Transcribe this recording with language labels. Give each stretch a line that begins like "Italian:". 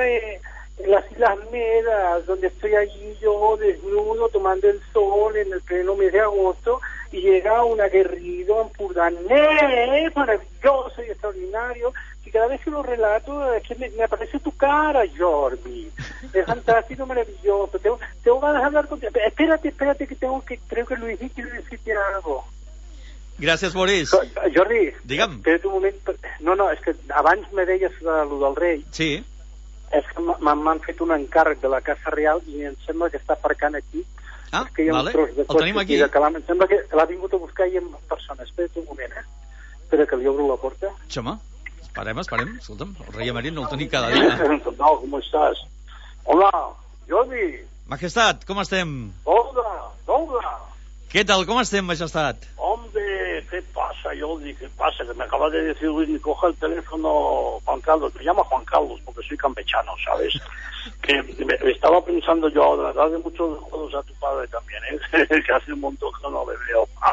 Spanish: en las Islas Medas, donde estoy allí yo, desnudo, tomando el sol en el pleno mes de agosto, y llega un aguerrido empordanés, maravilloso y extraordinario, y cada vez que lo relato, es que me aparece tu cara, Jordi. Es fantástico, maravilloso. Tengo ganas de hablar contigo. Espérate, que creo que Luis quiere decirte algo.
Catalan: Gràcies, Boris. Jordi, digue'm. Espera un moment. No, és que abans me deies lo del rei. Sí. És que m'han fet un encàrrec de la Casa Real i em sembla que està aparcant aquí. Ah, és que hi ha vale, un tros de el tenim aquí. De em sembla que l'ha vingut a buscar i amb persones. Espera un moment, espera que li obro la porta. Xoma, Esperem, esperem. Escolta'm, el rei emèrit no el tenim cada dia. No, com estàs? Hola, Jordi. Majestat, com estem? Hola, hola. Què tal, com estem, majestat? Hombre, què passa, Jordi, què passa? Que m'acaba de dir, Jordi, coja el telèfon Juan Carlos.
Spanish: Me llama Juan Carlos, porque soy campechano, ¿sabes? Que me estaba pensando yo, de verdad, de muchos juegos a tu padre también, ¿eh? Que hace un montón que no le veo.